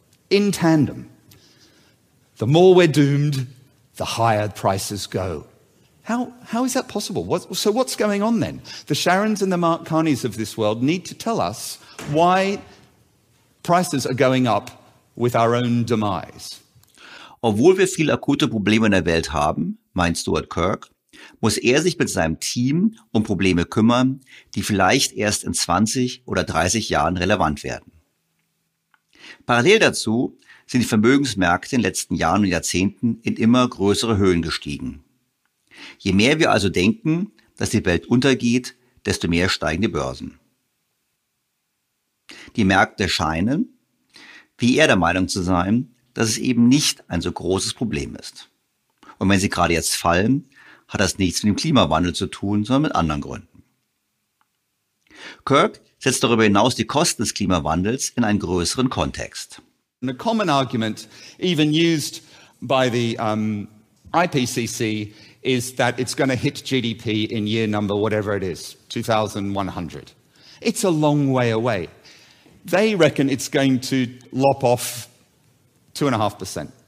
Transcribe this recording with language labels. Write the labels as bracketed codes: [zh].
[en] In tandem, the more we're doomed, the higher prices go. How is that possible? What's going on then? The Sharons and the Mark Carneys of this world need to tell us why prices are going up with our own demise. [de] Obwohl wir viele akute Probleme in der Welt haben, meint Stuart Kirk, muss er sich mit seinem Team um Probleme kümmern, die vielleicht erst in 20 oder 30 Jahren relevant werden. Parallel dazu sind die Vermögensmärkte in den letzten Jahren und Jahrzehnten in immer größere Höhen gestiegen. Je mehr wir also denken, dass die Welt untergeht, desto mehr steigen die Börsen. Die Märkte scheinen, wie er der Meinung zu sein, dass es eben nicht ein so großes Problem ist. Und wenn sie gerade jetzt fallen, hat das nichts mit dem Klimawandel zu tun, sondern mit anderen Gründen. Kirk setzt darüber hinaus die Kosten des Klimawandels in einen größeren Kontext. [en] A common argument even used by the IPCC is that it's going to hit GDP in year number whatever it is, 2100. It's a long way away. They reckon it's going to lop off 2.5%.